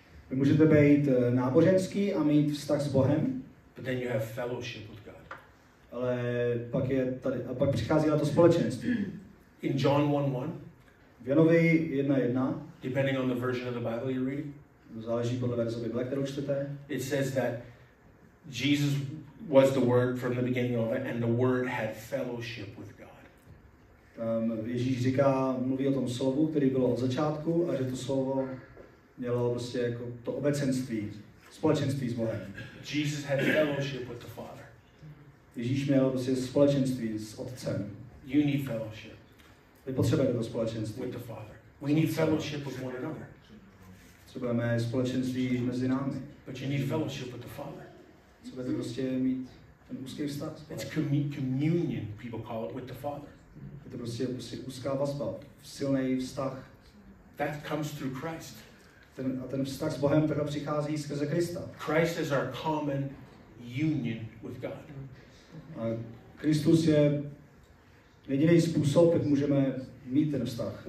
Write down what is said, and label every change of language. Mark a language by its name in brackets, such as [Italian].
[Czech] Vy můžete být náboženský a mít vztah s Bohem. [English] But then you have fellowship with God. [Czech] Ale pak je tady, a pak přichází na to společenství. [English] In John 1:1. [Czech] V Janovi 1:1. [English] Depending on the version of the Bible you read. [Czech] Záleží podle verze Bible, kterou čtete. [English] It says that Jesus was the Word from the beginning of it, and the Word had fellowship with God. [Czech] Tam Ježíš říká, mluví o tom slovu, který bylo od začátku, a že to slovo mělo prostě jako to obecenství, společenství s Bohem. [English] Jesus had fellowship with the Father. [Czech] Ježíš měl prostě společenství s Otcem. [English] You need fellowship. [Czech] Vy potřebujete to společenství. [English] With the Father. We need fellowship with one another. [Czech] Potřebujeme společenství mezi námi. [English] But you need fellowship with the Father. [Czech] Co by to prostě mít ten úzký vztah? [English] It's communion, people call it, with the Father. [Czech] Je to prostě úzká vazba, silný vztah. [English] That comes through Christ. [Czech] Ten vztah s Bohem takhle přichází skrze Krista. [English] Christ is our common union with God. [Czech] A Kristus je jediný způsob, jak můžeme mít ten vztah.